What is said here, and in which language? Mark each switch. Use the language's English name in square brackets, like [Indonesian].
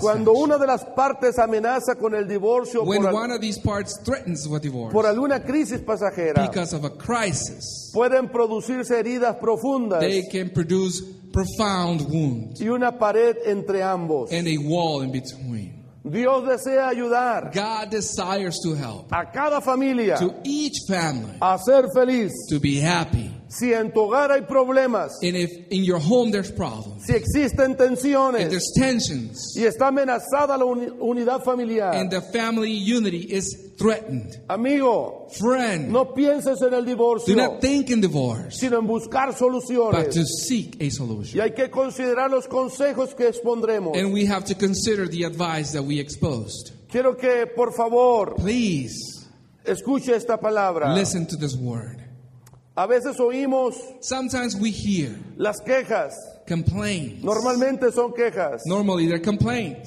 [Spanish] Cuando una de las partes amenaza con el divorcio, [English] when one of these parts threatens with divorce, [Spanish] por alguna crisis pasajera, [English] because of a crisis, [Spanish] pueden producirse heridas profundas, [English] they can produce profound wounds, [Spanish] y una pared entre ambos, [English] and a wall in between. [Spanish] Dios desea ayudar. [English] God desires to help. [Spanish] A cada familia. [English] To each family. [Spanish] A ser feliz. [English] To be happy. [Spanish] Si en tu hogar hay problemas. [English] And if in your home there's problems. [Spanish] Si existen tensiones. [English] And there's tensions. [Spanish] Y está amenazada la unidad familiar. [English] And the family unity is threatened. [Spanish] Amigo. [English] Friend. [Spanish] No pienses en el divorcio. [English] Do not think in divorce. [Spanish] Sino en buscar soluciones. [English] But to seek a solution. [Spanish] Y hay que considerar los consejos que expondremos. [English] And we have to consider the advice that we exposed. [Spanish] Quiero que, por favor. [English] Please. [Spanish] Escuche esta palabra. [English] Listen to this word. [Spanish] A veces oímos, [English] sometimes we hear, [Spanish] las quejas, [English] complaints. [Spanish] Normalmente son quejas. [English] Normally they're complaints.